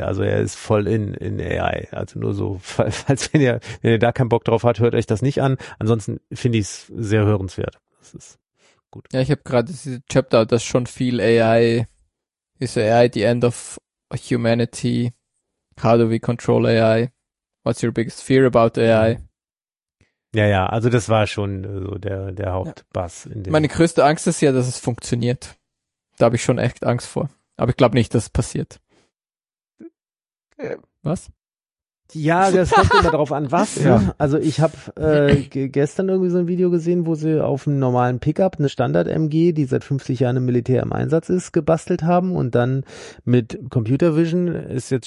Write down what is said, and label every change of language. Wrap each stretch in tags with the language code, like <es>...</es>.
<de>Also er ist voll in AI. Also nur so, falls wenn ihr da keinen Bock drauf hat, hört euch das nicht an. Ansonsten finde ich es sehr hörenswert. Das ist gut. Ja, ich habe gerade diese Chapter, das schon viel AI, ist AI</de> <en>the end of humanity? How do we control AI? What's your biggest fear about AI?</en> <de>Ja, also das war schon so der Hauptbass. Meine größte Angst ist ja, dass es funktioniert. Da habe ich schon echt Angst vor. Aber ich glaube nicht, dass es passiert. Was? Ja, das kommt immer drauf an, was. Ja. Also ich habe gestern irgendwie so ein Video gesehen, wo sie auf einem normalen Pickup eine Standard-MG, die seit 50 Jahren im Militär im Einsatz ist, gebastelt haben und dann mit Computer Vision ist jetzt</de>